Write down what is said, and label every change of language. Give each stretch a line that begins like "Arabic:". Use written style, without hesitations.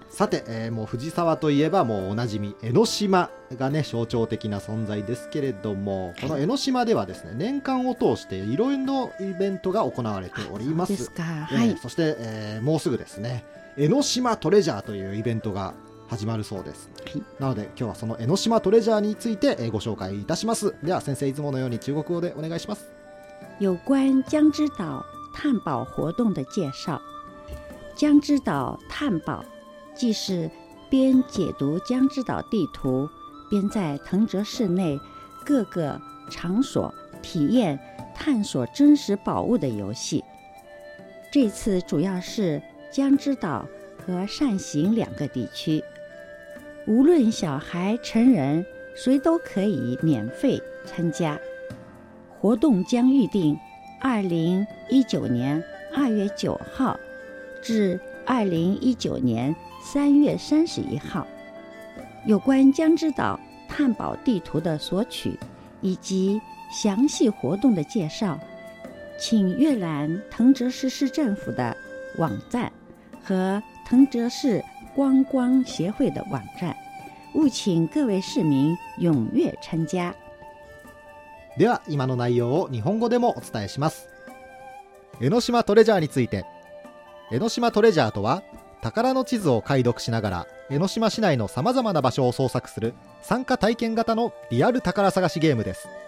Japanese: さて、もう藤沢といえばもうおなじみ江ノ島がね、象徴的な存在ですけれども、この江ノ島ではですね、年間を通していろいろなイベントが行われております。そうですか、はい。そして、もうすぐですね、江ノ島トレジャーというイベントが始まるそうです。なので今日はその江ノ島トレジャーについてご紹介いたします。では先生、いつものように中国語でお願いします。
Chinese: 有关江之岛探宝活动的介绍。江之岛探宝既是边解读江之岛地图，边在藤泽市内各个场所体验探索真实宝物的游戏。这次主要是江之岛和善行两个地区，无论小孩成人，谁都可以免费参加。活动将预定2019年2月9号至2019年3月31号。有关江之岛探宝地图的索取以及详细活动的介绍，请阅览藤泽市市政府的网站和藤泽市观光协会的网站，务请各位市民踊跃参加。
Japanese: では今の内容を日本語でもお伝えします。江ノ島トレジャーについて。江ノ島トレジャーとは、宝の地図を解読しながら江ノ島市内のさまざまな場所を捜索する参加体験型のリアル宝探しゲームです。